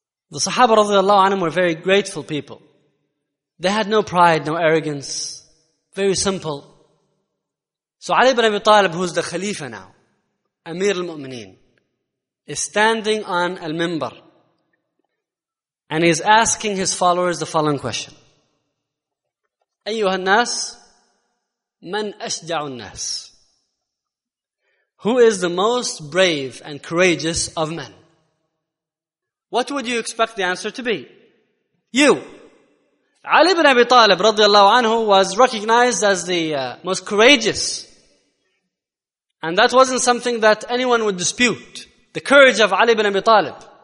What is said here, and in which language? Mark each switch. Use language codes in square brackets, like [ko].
[en] The Sahaba radiallahu anhum were very grateful people. They had no pride, no arrogance. Very simple. So Ali ibn Abi Talib, who's the Khalifa now, Amir al-Mu'mineen, is standing on al-Mimbar. And he's asking his followers the following question. [ar] أيها الناس من أشجع الناس. [en] Who is the most brave and courageous of men? What would you expect the answer to be? You. Ali ibn Abi Talib radiallahu anhu was recognized as the most courageous. And that wasn't something that anyone would dispute. The courage of Ali ibn Abi Talib.